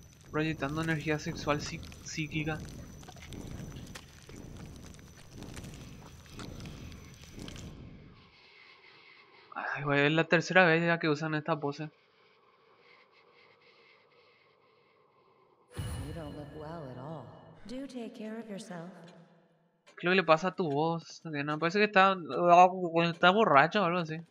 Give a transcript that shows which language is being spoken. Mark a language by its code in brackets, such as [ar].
[es] Proyectando energía sexual psíquica. Ay, güey, es la tercera vez ya que usan esta pose. [en] You don't look well at all. Do take care of yourself. [es] ¿Qué le pasa a tu voz? No, parece que está borracho o algo así.